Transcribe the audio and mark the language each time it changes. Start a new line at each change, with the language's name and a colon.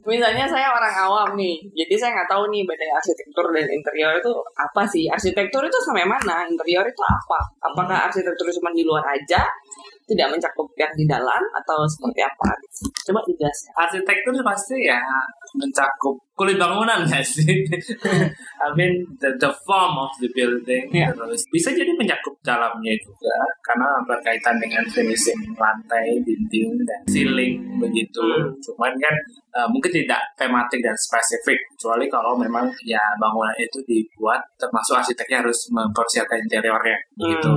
Indonesian: Misalnya saya orang awam nih, jadi saya nggak tahu nih bedanya arsitektur dan interior itu apa sih? Arsitektur itu sampai mana? Interior itu apa? Apakah arsitektur cuma di luar aja, tidak mencakup yang di dalam, atau seperti apa? Coba dijelaskan. Arsitektur pasti ya mencakup kulit bangunan nggak sih?
English: I mean the form of the building, yeah.
Indonesian: Terus bisa jadi mencakup dalamnya juga karena berkaitan dengan finishing lantai, dinding dan ceiling begitu. Cuman kan mungkin tidak tematik dan spesifik, kecuali kalau memang ya bangunan itu dibuat termasuk arsiteknya harus mempersiapkan interiornya begitu.